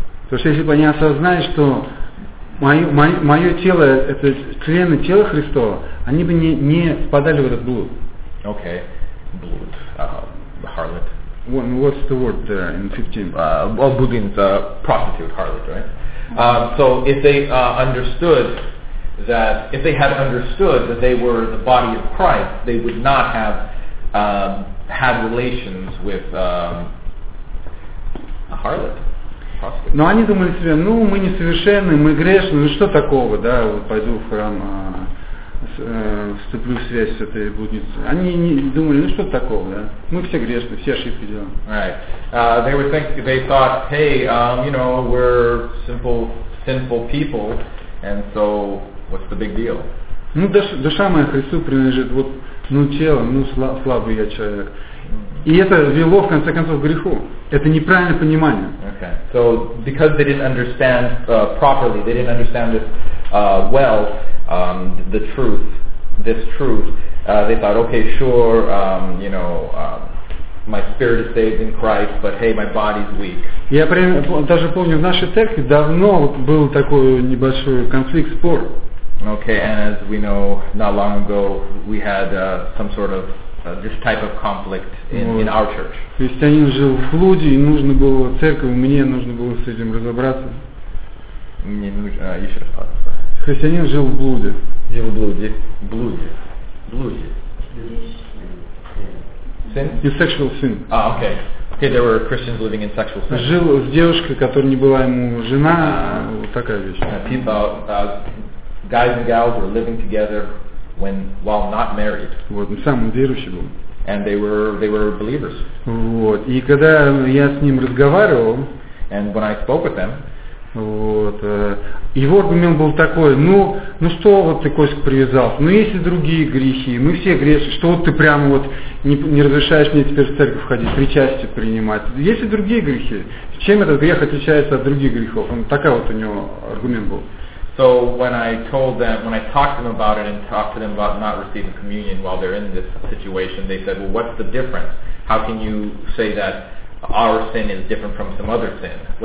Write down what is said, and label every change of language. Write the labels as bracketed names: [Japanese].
[Russian] То есть если бы они осознали, что мое тело, это члены тела Христова, они бы не впадали в этот блуд. [English] Okay, блуд, the harlot. What's the word there in 15? Well, Buddhism's a prostitute, harlot, right? So if they understood that, if they had understood that they were the body of Christ, they would not have had relations with a harlot. [Russian] Но они думали себе, ну мы не совершенны, мы грешны, ну что такого, да, пойду в храм, вступлю в связь с этой блудницей. Они не думали, ну что такого, да? Мы все грешны, все ошибки делаем. [English] Right. They would think, they thought, hey, you know, we're simple, sinful people, and so what's the big deal? [Russian] Ну, душа моя Христу принадлежит, вот, ну тело, ну слабый я человек. И это вело, в конце концов, к греху. Это неправильное понимание. [English] Okay. So, because they didn't understand properly, they didn't understand this well, the truth, this truth, they thought, okay, sure, you know, my spirit is saved in Christ, but hey, my body's weak. [Russian] Я прям даже помню, в нашей церкви давно был такой небольшой конфликт, спор. [English] Okay, and as we know, not long ago, we had some sort of this type of conflict in our church. [Russian] Христианин жил в блуде, и нужно было церковь, мне нужно было с этим разобраться. Мне нужно, еще раз, пожалуйста. Христианин жил в блуде. Жил в блуде. Блуде. Блуде. [English] Sin? In sexual sin. Ah, okay. Okay, there were Christians living in sexual sin. [Russian] Жил с девушкой, которая не была ему жена, вот такая вещь. [English] People, guys and gals were living together while not married. [Russian] Вот, на самом верующий был. [English] And they were believers. [Russian] Вот, и когда я с ним разговаривал, [English] and when I spoke with them, [Russian] вот, его аргумент был такой, ну что вот ты, Костик, привязался, ну есть и другие грехи, мы все грешны, что вот ты прямо вот не разрешаешь мне теперь в церковь ходить, причастие принимать, есть и другие грехи, чем этот грех отличается от других грехов, он, такой вот у него аргумент был. [English] So when I told them, when I talked to them about it and talked to them about not receiving communion while they're in this situation, they said, well, what's the difference? How can you say that our sin is different from some other sin?